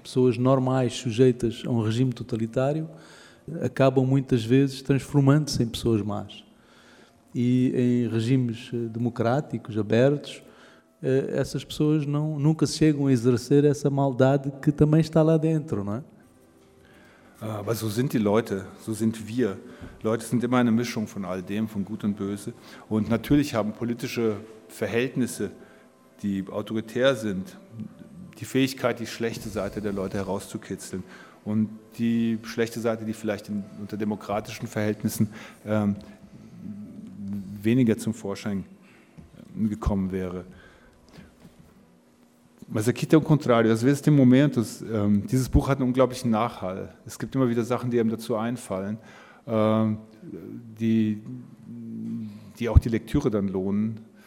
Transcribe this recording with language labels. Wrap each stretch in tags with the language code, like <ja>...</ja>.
<pt>Pessoas normais sujeitas a um regime totalitário acabam muitas vezes transformando-se em pessoas más. E em regimes democráticos, abertos, essas pessoas nunca chegam a exercer essa maldade que também está lá dentro, não é?</pt> <de>Mas so sind die Leute, so sind wir. Leute sind immer eine Mischung von all dem, von Gut und Böse. Und natürlich haben politische Verhältnisse, die autoritär sind, die Fähigkeit, die schlechte Seite der Leute herauszukitzeln. Und die schlechte Seite, die vielleicht unter demokratischen Verhältnissen weniger zum Vorschein gekommen wäre.</de> <pt>Mas aqui tem o contrário, às vezes tem momentos,</pt> <de>dieses Buch hat einen unglaublichen Nachhall. Es gibt immer wieder Sachen, die einem dazu einfallen, die auch die Lektüre dann lohnen.</de>